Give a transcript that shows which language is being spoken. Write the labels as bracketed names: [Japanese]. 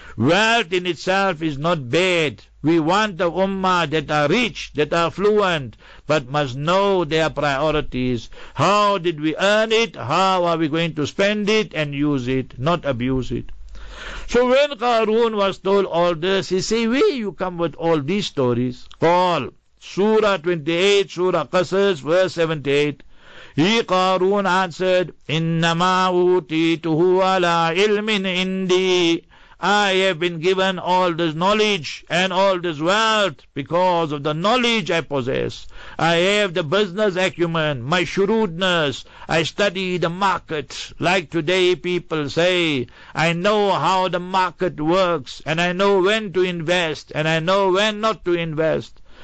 [English] Wealth in itself is not bad. We want the ummah that are rich, that are affluent, but must know their priorities. How did we earn it? How are we going to spend it and use it, not abuse it? So when Qarun was told all this, he said, where you come with all these stories? Call Surah 28, Surah Qasas, verse 78. He, Qarun, answered, [Arabic] إِنَّمَا أُوتِيتُهُ عَلَىٰ عِلْمٍ عِنْدِي. [English] I have been given all this knowledge and all this wealth because of the knowledge I possess. I have the business acumen, my shrewdness. I study the market. Like today people say, I know how the market works and I know when to invest and I know when not to invest.